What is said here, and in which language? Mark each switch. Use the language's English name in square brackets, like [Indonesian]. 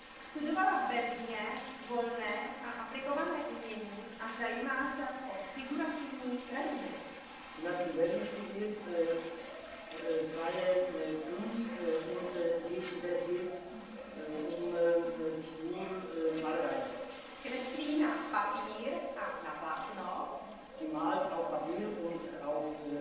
[Czech] Studovala v Berlíně volné a aplikované umění a zajímá se o figurativní kresby. [German] Sie hat in Berlin studiert freie Kunst und sich interessiert um Figurenmalerei. [Czech] Kreslí na papír a na plátno. [German] Sie malt auf Papier und auf